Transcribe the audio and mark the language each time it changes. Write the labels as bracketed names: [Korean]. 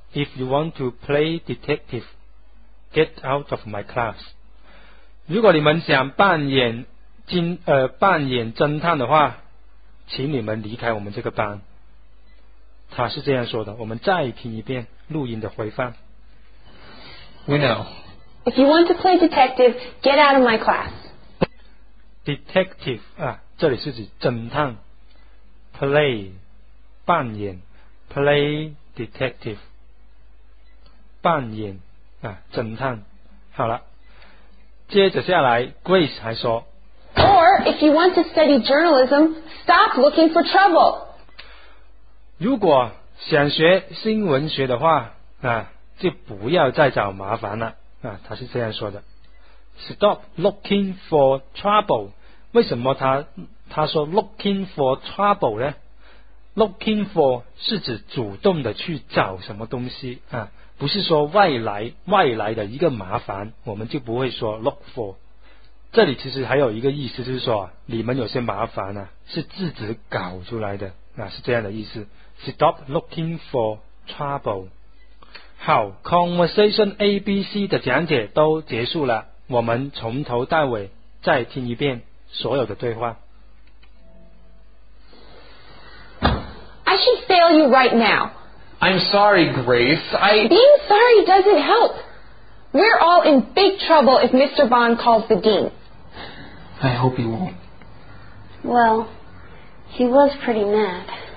[English] If you want to play detective, get out of my class. [Chinese] 如果你们想扮演侦探的话，请你们离开我们这个班。他是这样说的，我们再听一遍录音的回放。 [English] We know. If you want to play detective, get out of my class. [Chinese] Detective, 啊，这里是指侦探。 [English] Play, 扮演。Play detective. [Chinese] 扮演啊，侦探。好了，接着下来 ，Grace 还说 [English] ，Or if you want to study journalism, stop looking for trouble. [Chinese] 如果想学新闻学的话啊，就不要再找麻烦了啊。他是这样说的 ， [English] Stop looking for trouble. [Chinese] 为什么他说 looking for trouble 呢 ？ [English] Looking for [Chinese] 是指主动的去找什么东西啊。不是说外来的一个麻烦，我们就不会说 look for。这里其实还有一个意思，就是说你们有些麻烦啊，是自己搞出来的，那是这样的意思。 [English] Stop looking for trouble。 [Chinese] 好 ，conversation A B C 的讲解都结束了，我们从头到尾再听一遍所有的对话。 [English] I should fail you right now. I'm sorry, Grace. I... Being sorry doesn't help. We're all in big trouble if Mr. Bond calls the dean. I hope he won't. Well, he was pretty mad.